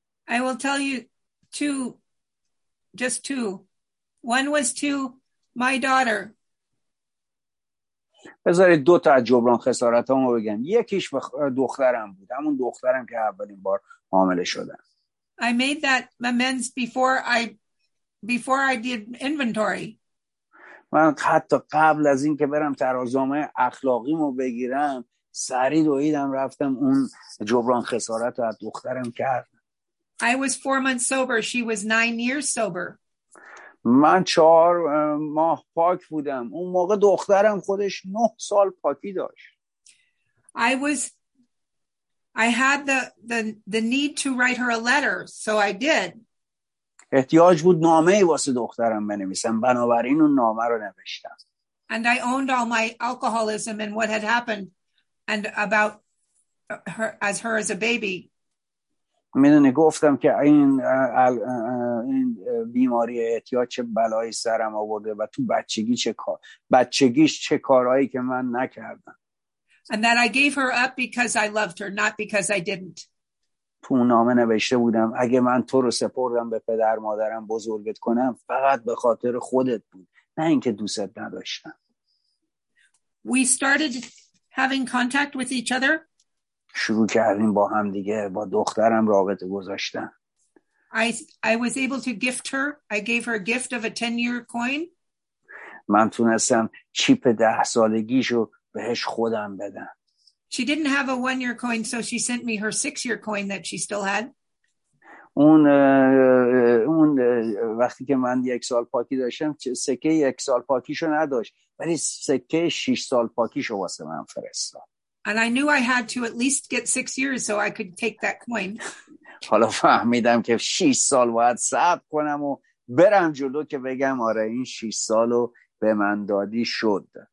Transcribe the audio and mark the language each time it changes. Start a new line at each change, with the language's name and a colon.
English: I will tell you two. One was to my daughter.
Persian: بذارید دو تا از جبران خسارت هامو بگم. یکیش به دخترم بود. همون دخترم که اولین بار حامله شدم.
English: I made that amends before I did inventory.
Persian: من حتی قبل از این که برم ترازنامه اخلاقیمو بگیرم سریع دویدم رفتم اون جبران خسارت رو از دخترم کردم.
English: I was 4 months sober. She was 9 years sober.
Persian: من 4 ماه پاک بودم. اون موقع دخترم خودش 9 سال پاکی داشت.
English: I had the need to write her a letter, so I did.
Persian: احتیاج بود نامه ای واسه دخترم بنویسم، بنابراین اون نامه رو نوشتم.
English: And I owned all my alcoholism and what had happened and about her as a baby.
Persian: میدونی گفتم که این این بیماری اعتیاد چه بلایی سرم آورده و تو بچگی چه کار بچگیش چه کارهایی که من نکردم.
English: And that I gave her up because I loved her, not because I didn't.
Persian: تو نامه نوشته بودم اگه من تو رو سپردم به پدر مادرم بزرگت کنم فقط به خاطر خودت بود نه اینکه دوستت نداشتم.
English: We started having contact with each other.
Persian: شروع کردیم با هم دیگه با دخترم رابطه گذاشتن.
English: I was able to gift her. I gave her a gift of a 10-year coin.
Persian: من تونستم چیپ 10 سالگیشو بهش خودم بدم.
English: She didn't have a 1-year coin, so she sent me her 6-year coin that she still had.
Persian: اون وقتی که من یک سال پاکی داشتم سکه یک سال پاکیشو نداشت ولی سکه 6 سال پاکیشو واسه من فرستاد.
English: And I knew I had to at least get 6 years so I could take that coin.
Persian: حالا فهمیدم که 6 سال باید صبر کنم و برم جلو که بگم آره این 6 سالو به من دادی شد.